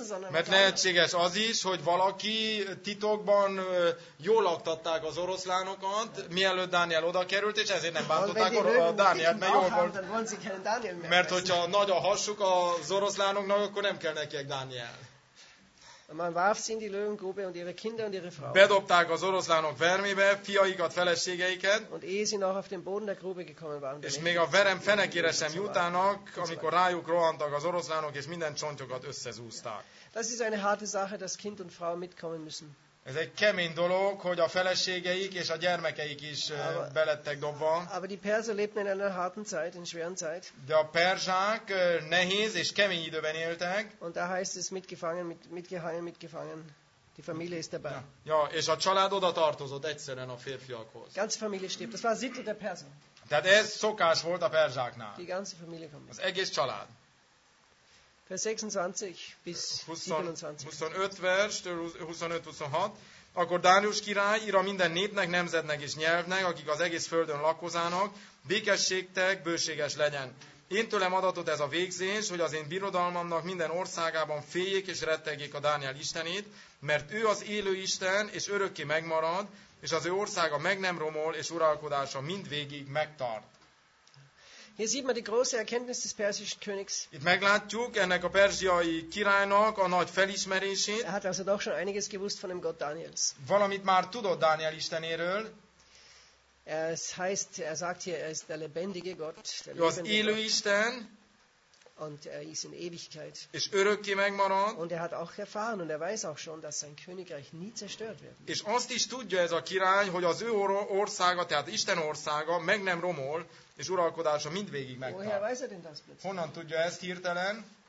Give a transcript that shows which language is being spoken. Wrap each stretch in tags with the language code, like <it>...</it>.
<hu>Mert lehetséges az is, hogy valaki titokban jól laktatták az oroszlánokat, mielőtt Dániel oda került, és ezért nem bántották Dánielt, mert jól volt. Mert hogyha nagy a hasuk az oroszlánoknak, akkor nem kell nekiek Dániel.</hu> <de>Man warf sie in die Löwengrube und ihre Kinder und ihre Frauen.</de> <hu>Bedobták az oroszlánok vermébe, fiaikat, feleségeiket.</hu> <de>Und ehe sie noch auf den Boden der Grube gekommen waren.</de> <hu>És még a verem fenekére sem jutának, amikor rájuk rohantak az oroszlánok, és minden csontjukat összezúzták.</hu> <de>Das ist eine harte Sache, dass Kind und Frau mitkommen müssen.</de> <hu>Ez egy kemény dolog, hogy a feleségeik és a gyermekeik is belettek dobva.</hu> <de>Aber die Perser lebten in einer harten Zeit, in schweren Zeit.</de> <hu>De a perzsák nehéz és kemény időben éltek.</hu> <de>Und da heißt es mitgefangen, mitgehangen, mitgefangen. Die Familie ist dabei.</de> <hu>Ja, és a család oda tartozott egyszerűen a férfiakhoz.</hu> <de>Ganze Familie stirbt. Das war Sitte der Perser.</de> <hu>Tehát ez szokás volt a perzsáknál.</hu> <de>Die ganze Familie kommt.</de> <hu>Az egész család.</hu> <de>Vers 26 bis 27.</de> <hu>Akkor Dánius király ír a minden népnek, nemzetnek és nyelvnek, akik az egész földön lakozának, békességtek, bőséges legyen. Én tőlem adatot ez a végzés, hogy az én birodalmamnak minden országában féljék és rettegjék a Dániel istenét, mert ő az élő Isten, és örökké megmarad, és az ő országa meg nem romol, és uralkodása mindvégig megtart.</hu> <de>Hier sieht man die große Erkenntnis des persischen Königs.</de> <hu>Itt meglátjuk ennek a perzsiai királynak a nagy felismerését.</hu> <de>Er hat also doch schon einiges gewusst von dem Gott Daniels.</de> <hu>Valamit már tudott Dániel istenéről.</hu> <de>Es heißt, er sagt hier, er ist der lebendige Gott.</de> <hu>Ő az élő Isten.</hu> <de>Und er ist in Ewigkeit.</de> <hu>És örökké megmarad.</hu> <de>Und er hat auch erfahren und er weiß auch schon, dass sein Königreich nie zerstört wird.</de> <hu>És azt is tudja ez a király, hogy az ő országa, tehát Isten országa meg nem romol, és uralkodása mindvégig megtart. Honnan tudja ezt hirtelen?</hu>